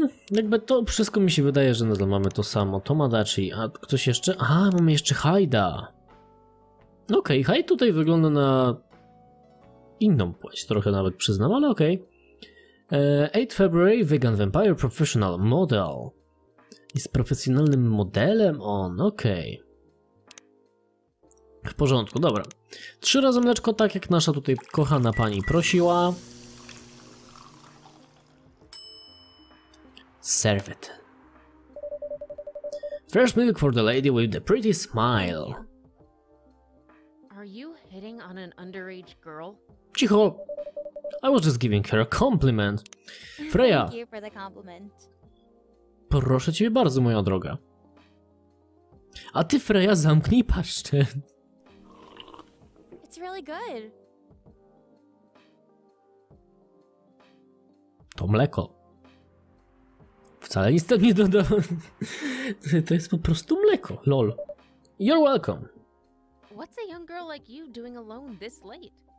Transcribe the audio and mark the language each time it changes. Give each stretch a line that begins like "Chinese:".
Polish: Jakby to wszystko mi się wydaje, że nadal mamy to samo. Tomodachi, a ktoś jeszcze? A, mamy jeszcze Haida. Okej, okay, Haid tutaj wygląda na inną płeć, trochę nawet przyznam, ale okej.
English: Okay. 8 February, vegan vampire, professional model.
Polish: Jest profesjonalnym modelem on, okej. Okay. W porządku, dobra. Trzy razy mleczko, tak jak nasza tutaj kochana pani prosiła.
English: Serve it. Fresh milk for the lady with the pretty smile. Are you hitting on an underage girl?
Polish: Cicho.
English: I was just giving her a compliment. Freya. Thank you for the compliment.
Polish: Proszę ciebie bardzo, moja droga. A ty, Freya, zamknij paszczę.
English: It's really good.
Polish: To mleko. Wcale nic tam nie dodałem. To jest po prostu mleko. Lol.
English: You're welcome. What's a young girl like you doing alone this late?